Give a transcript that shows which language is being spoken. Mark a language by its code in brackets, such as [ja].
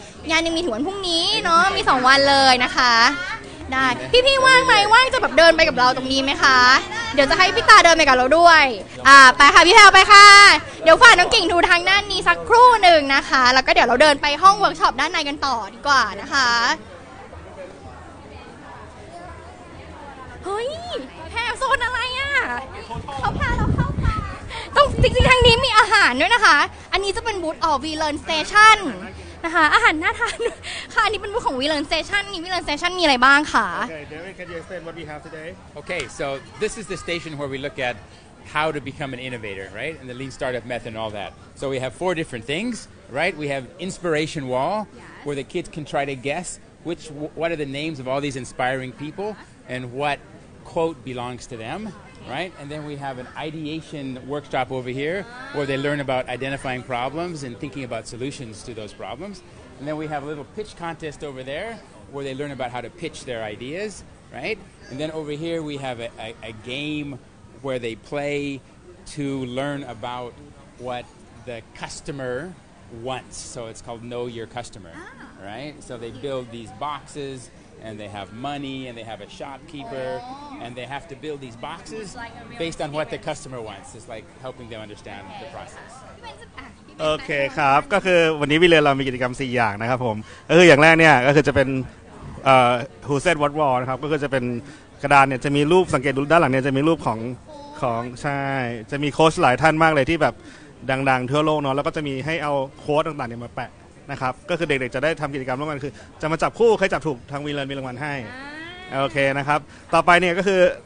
[th] งานยังมีถึงวันพรุ่งนี้เนาะมี2วันเลยนะคะได้พี่ๆว่างไหมว่างจะแบบเดินไปกับเราตรงนี้ไหมคะเดี๋ยวจะให้พี่ตาเดินไปกับเราด้วยไปค่ะพี่แพลไปค่ะเดี๋ยวฝากน้องกิ่งดูทางด้านนี้สักครู่หนึ่งนะคะแล้วก็เดี๋ยวเราเดินไปห้องเวิร์กช็อปด้านในกันต่อดีกว่านะคะเฮ้ยแพลโซนอะไรอ่ะ เขาพาเราเข้า ต้องจริงๆทางนี้มีอาหารด้วยนะคะอันนี้จะเป็นบูธออก V-Learn Stationนะคะอาหารน่าทานค่ะอันนี้เป็นบูธของ V-Learn Station นี่ V-Learn Station มีอะไรบ้างคะ [en] Okay, David, can you explain what we have today? Okay, so this is the station where we look at how to become an innovator, right? And the lean startup method and all that. So we have four different things, right? We have inspiration wall, yes. where the kids can try to guess which, what are the names of all these inspiring people and what quote belongs to them, right? And then we have an ideation workshop over here where they learn about identifying problems and thinking about solutions to those problems. And then we have a little pitch contest over there where they learn about how to pitch their ideas, right? And then over here we have a game where they play to learn about what the customer wants. So it's called Know Your Customer, right? So they build these boxes. And they have money, and they have a shopkeeper, and they have to build these boxes based on what the customer wants. It's like helping them understand the process. [th] Okay, ครับก็คือวันนี้วิเลนเรามีกิจกรรม4อย่างนะครับผมก็คืออย่างแรกเนี่ยก็คือจะเป็น Who Said What Wall นะครับก็คือจะเป็นกระดานเนี่ยจะมีรูปสังเกตดูด้านหลังเนี่ยจะมีรูปของใช่จะมีโค้ชหลายท่านมากเลยที่แบบดังๆทั่วโลกเนาะแล้วก็จะมีให้เอาโค้ชต่างๆเนี่ยมาแปะนะครับก็คือเด็กๆจะได้ทำกิจกรรมร่วมกันคือจะมาจับคู่ใครจับถูกทางวีเลนมีรางวัลให้โอเคนะครับต่อไปเนี่ยก็คือ